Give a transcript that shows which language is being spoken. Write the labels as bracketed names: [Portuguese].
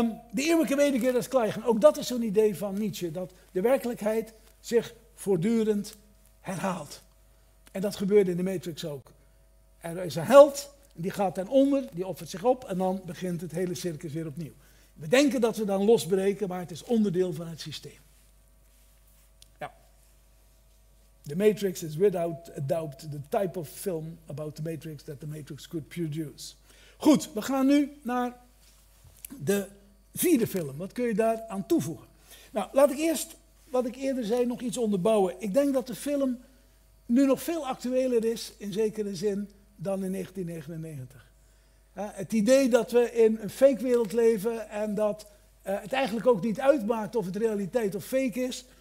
[Dutch] De eeuwige wederkeer des Kleigen. Ook dat is zo'n idee van Nietzsche. Dat de werkelijkheid zich voortdurend herhaalt. En dat gebeurde in de Matrix ook. Er is een held, die gaat ten onder, die offert zich op en dan begint het hele circus weer opnieuw. We denken dat we dan losbreken, maar het is onderdeel van het systeem. Ja. [English] The Matrix is without a doubt the type of film about the Matrix that the Matrix could produce. [Dutch] Goed, we gaan nu naar de vierde film. Wat kun je daar aan toevoegen? Nou, laat ik eerst, wat ik eerder zei, nog iets onderbouwen. Ik denk dat de film nu nog veel actueler is, in zekere zin, dan in 1999. Ja, het idee dat we in een fake wereld leven en dat het eigenlijk ook niet uitmaakt of het realiteit of fake is.